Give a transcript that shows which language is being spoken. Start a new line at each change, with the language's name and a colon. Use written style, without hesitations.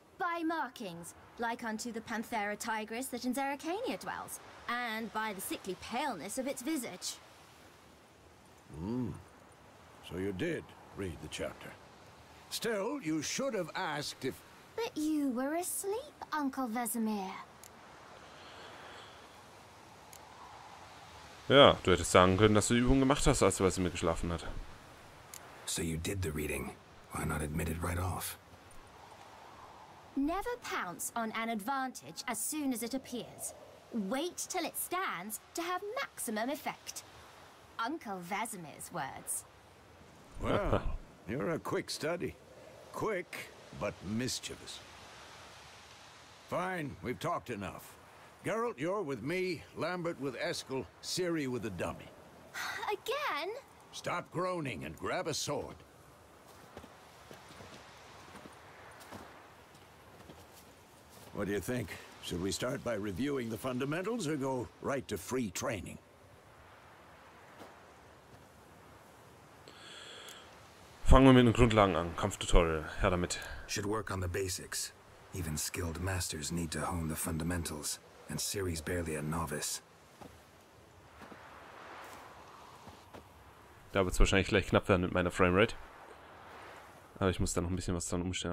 English: By markings, like unto the Panthera tigris that in Zeracania dwells, and by the sickly paleness of its visage. Hmm. So you did read the chapter. Still, you should have asked if... But you were asleep, Uncle Vesemir.
German: Ja, du hättest sagen können, dass du die Übung gemacht hast, als du Vesemir geschlafen hat.
English: So you did the reading. Why not admit it right off? Never pounce on an advantage as soon as it appears. Wait till it stands to have maximum effect. Uncle Vesemir's words. Well, you're a quick study. Quick, but mischievous. Fine, we've talked enough. Geralt, you're with me, Lambert with Eskel, Ciri with the dummy. Again? Stop groaning and grab a sword. What do you think? Should we start by reviewing the fundamentals or go right to free training?
German: Fangen wir mit den Grundlagen an. Kampftutorial. Her damit.
English: Should work on the basics. Even skilled masters need to hone the fundamentals. And Ciri's barely a novice.
German: Da wird es wahrscheinlich gleich knapp werden mit meiner Framerate. Aber ich muss da noch ein bisschen was dran umstellen.